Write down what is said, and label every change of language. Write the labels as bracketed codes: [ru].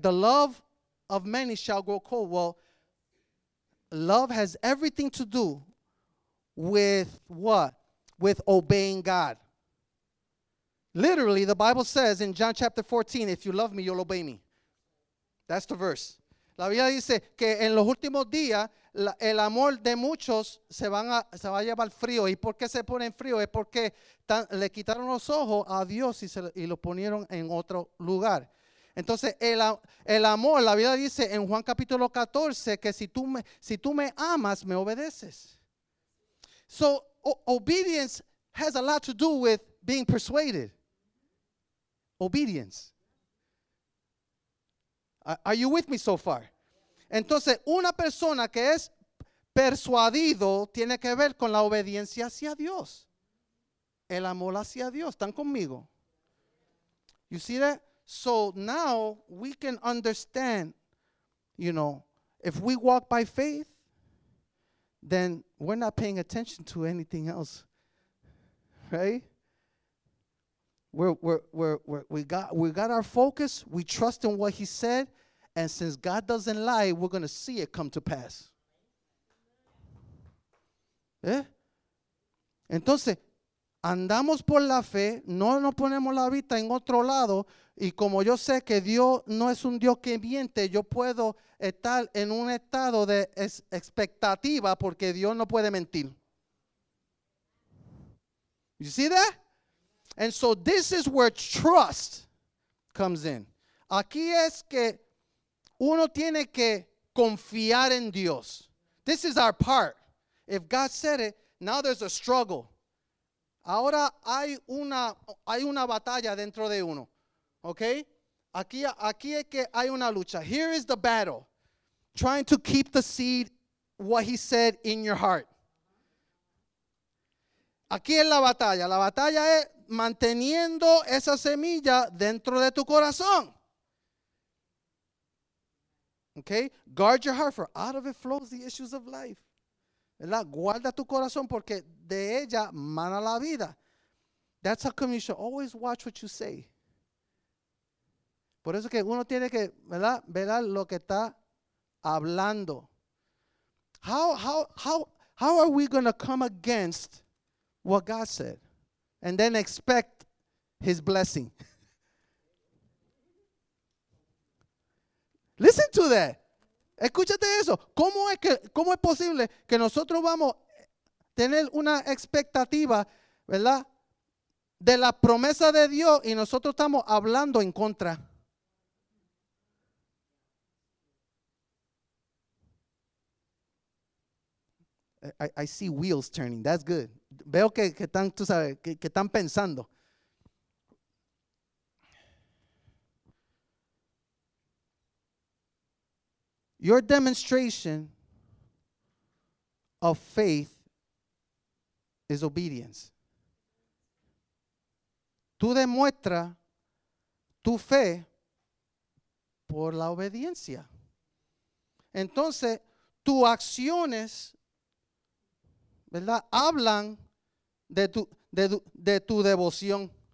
[en] The love of many shall grow cold. Well, love has everything to do with what? With obeying God. Literally, the Bible says in John chapter 14, if you love me, you'll obey me. That's the verse. [es] La Biblia dice que en los últimos días el amor de muchos se va a llevar frío. ¿Y por qué se pone en frío? Es porque le quitaron los ojos a Dios y lo ponieron en otro lugar. Entonces, el amor, la Biblia dice en Juan capítulo 14 que si tú me amas, me obedeces. [en] So, obedience has a lot to do with being persuaded. Obedience. Are you with me so far? [es] Entonces, una persona que es persuadido tiene que ver con la obediencia hacia Dios. El amor hacia Dios. ¿Están conmigo? [en] You see that? So now we can understand, you know, if we walk by faith, then we're not paying attention to anything else, right? We got our focus, we trust in what he said, and since God doesn't lie, we're going to see it come to pass. [es] ¿Eh? Entonces, andamos por la fe, no nos ponemos la vista en otro lado, y como yo sé que Dios no es un Dios que miente, yo puedo estar en un estado de expectativa porque Dios no puede mentir. [en] You see that? And so this is where trust comes in. Aquí es que uno tiene que confiar en Dios. This is our part. If God said it, now there's a struggle. [es] Ahora hay una batalla dentro de uno. Okay? Aquí es que hay una lucha. [en] Here is the battle. Trying to keep the seed, what he said, in your heart. [es] Aquí es la batalla. La batalla es manteniendo esa semilla dentro de tu corazón. [en] Okay? Guard your heart, for out of it flows the issues of life. [es] ¿Verdad? Guarda tu corazón porque de ella mana la vida. [en] That's how come you should always watch what you say. [es] Por eso que uno tiene que, ¿verdad? Velar lo que está hablando. [en] How are we going to come against what God said and then expect his blessing? Listen to that. [es] Escúchate eso. ¿Cómo es posible que nosotros vamos a tener una expectativa, ¿verdad? De la promesa de Dios y nosotros estamos hablando en contra. [en] I see wheels turning. That's good. [es] Veo que están, tú sabes, que están pensando. [en] Your demonstration of faith is obedience. [es] Tú demuestras tu fe por la obediencia. Entonces, tus acciones, ¿verdad?, hablan de tu devoción.